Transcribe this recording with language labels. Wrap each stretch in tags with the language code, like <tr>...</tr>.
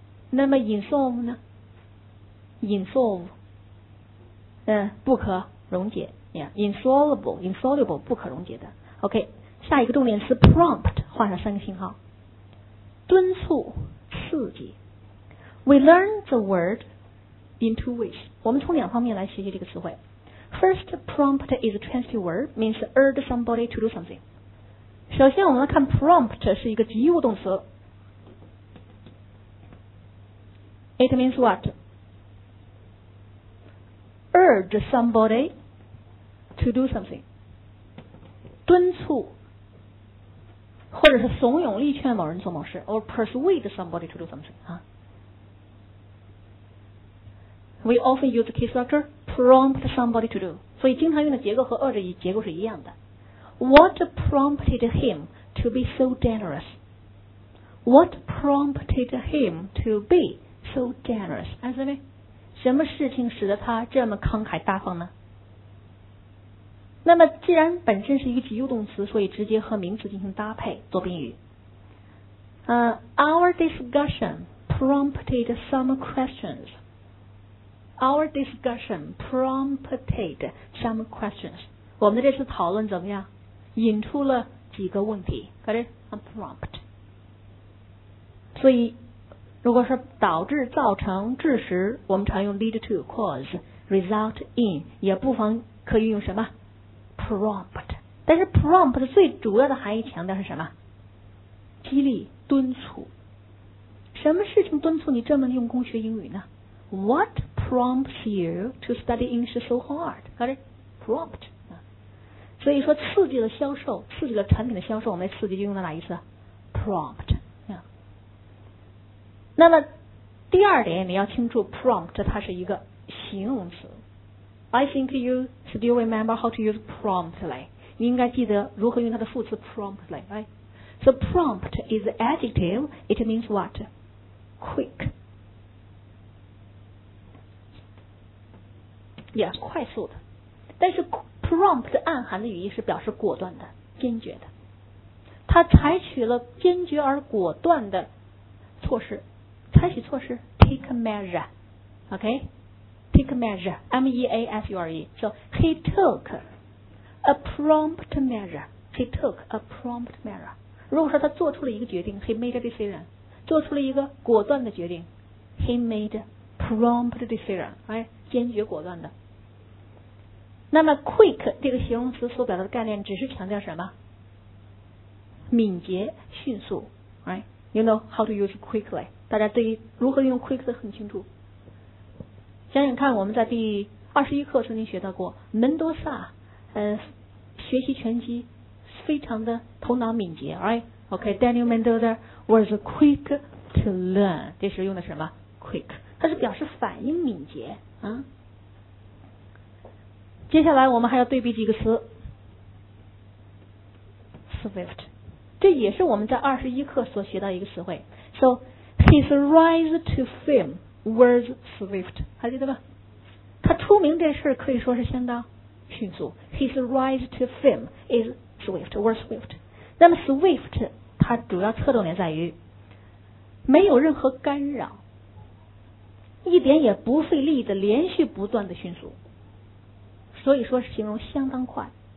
<zh>那么 insolve 呢？insolve 不可溶解、insoluble 不可溶解的。 OK, 下一个重点词 prompt 画上三个星号，敦促刺激。</zh> <en>We learn the word in two ways,</en> <zh>我们从两方面来学习这个词汇。</zh> <en>First, prompt is a transitive word, means urge somebody to do something.</en> <zh>首先我们来看 prompt 是一个及物动词，</zh> <en>It means what? Urge somebody to do something.</en> <zh>敦促或者是怂恿力劝某人做某事</zh> <en>or persuade somebody to do something.、We often use the key structure prompt somebody to do.</en> <zh>所以经常用的结构和urge结构是一样的。</zh> <en>What prompted him to be so generous? What prompted him to be? So generous, answer me.</en> <zh>什么事情使得他这么慷慨大方呢？那么既然本身是一个及物动词，所以直接和名词进行搭配做宾语。</zh> <en>Our discussion prompted some questions. Our discussion prompted some questions.</en> <zh>我们的这次讨论怎么样？引出了几个问题。</zh> <en>Got it? A prompt.</en> <zh>所以如果是导致、造成、致使，我们常用 lead to, cause, result in, 也不妨可以用什么 prompt。但是 prompt 最主要的含义强调是什么？激励、敦促。什么事情敦促你这么用功学英语呢？</zh> <en>What prompts you to study English so hard? Got it? Prompt。</en> <zh>所以说刺激了销售，刺激了产品的销售，我们刺激就用了哪一次？</zh> <en>Prompt。</en> <zh>那么第二点你要清楚 prompt 它是一个形容词。</zh> <en>I think you still remember how to use promptly.</en> <zh>你应该记得如何用它的副词 promptly, right?</zh> <en>So prompt is adjective, it means what? Quick.</en> <zh>Yeah, 快速的。但是 prompt 暗含的语义是表示果断的、坚决的。它采取了坚决而果断的措施。采取措施</zh> <en>take a measure, OK, take a measure, M-E-A-S-U-R-E. So he took a prompt measure, he took a prompt measure.</en> <zh>如果说他做出了一个决定</zh> <en>he made a decision,</en> <zh>做出了一个果断的决定</zh> <en>he made a prompt decision, right?</en> <zh>坚决果断的。那么 quick 这个形容词所表达的概念只是强调什么？敏捷、迅速， right?</zh> <en>You know how to use quickly.</en> <zh>大家对于如何用 quick 的很清楚。想想看，我们在第21课曾经学到过门多萨，学习拳击非常的头脑敏捷 ，right?</zh> <en>OK, Daniel Mendoza was quick to learn.</en> <zh>这时用的什么 quick? 它是表示反应敏捷啊。接下来我们还要对比几个词 ，swift， 这也是我们在21课所学到一个词汇 ，so。</zh> <en>His rise to fame was swift.</en> <zh>还记得吧？他出名这事可以说是相当迅速。</zh> <en>His rise to fame is swift, was swift.</en> <zh>那么 swift 它主要侧重点在于没有任何干扰，一点也不费力的连续不断的迅速，所以说是形容相当快。</zh>